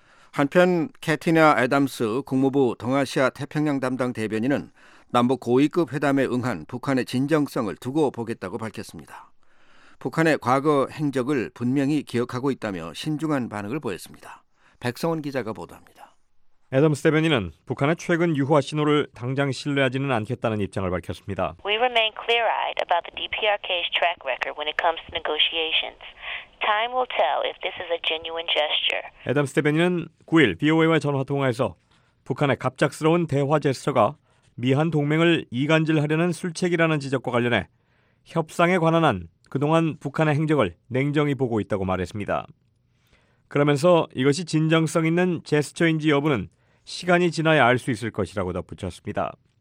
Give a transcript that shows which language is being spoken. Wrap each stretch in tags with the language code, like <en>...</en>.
<ko>한편 캐티나 애담스 국무부 동아시아 태평양 담당 대변인은 남북 고위급 회담에 응한 북한의 진정성을 두고 보겠다고 밝혔습니다. 북한의 과거 행적을 분명히 기억하고 있다며 신중한 반응을 보였습니다. 백성원 기자가 보도합니다. 애덤스 대변인은 북한의 최근 유화 신호를 당장 신뢰하지는 않겠다는 입장을 밝혔습니다.</ko> <en>We remain clear-eyed about the DPRK's track record when it comes to negotiations. Time will tell if this is a genuine gesture.</en> <ko>애덤스 대변인은 9일 VOA와 전화 통화에서 북한의 갑작스러운 대화 제스처가 미한 동맹을 이간질하려는 술책이라는 지적과 관련해 협상에 관한 한 그동안 북한의 행적을 냉정히 보고 있다고 말했습니다. 그러면서 이것이 진정성 있는 제스처인지 여부는 시간이 지나야 알 수 있을 것이라고 덧붙였습니다.</ko>